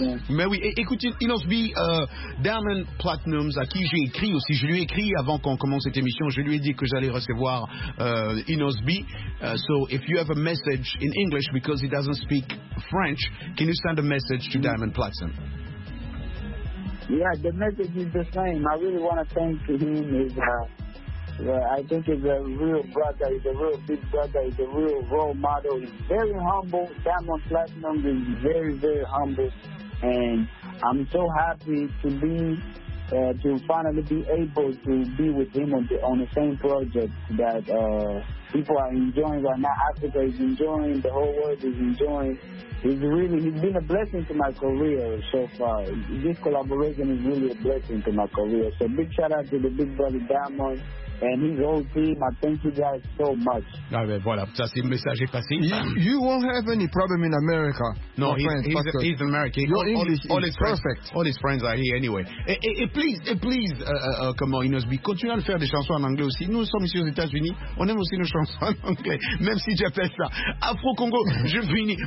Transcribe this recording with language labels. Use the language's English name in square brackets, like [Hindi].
[French] Mais oui, écoutez, Inosby, Diamond Platinums, à qui j'ai écrit aussi, je lui ai écrit avant qu'on commence cette émission, je lui ai dit que j'allais recevoir Inosby. [English] So, if you have a message in English, because he doesn't speak French, can you send a message to Diamond Platinum? Yeah, the message is the same. I really want to thank him. I think he's a real brother. He's a real big brother. He's a real role model. He's very humble. Diamond Platinum is very, very humble. And I'm so happy to be, to finally be able to be with him on the same project that people are enjoying right now. Africa is enjoying. The whole world is enjoying. He's been a blessing to my career so far. This collaboration is really a blessing to my career. So big shout out to the big brother Diamond and his whole team. I thank you guys so much. [French] Ah ben voilà, ça c'est le message est passé. [English] You won't have any problem in America. No, he's American. All his friends, perfect. All his friends are here anyway. [French] Et please, comment il nous dit, continue à le faire des chansons en anglais aussi. Nous sommes ici aux États-Unis, on aime aussi nos chansons en anglais, même si j'appelle ça Afro-Congo. Je finis.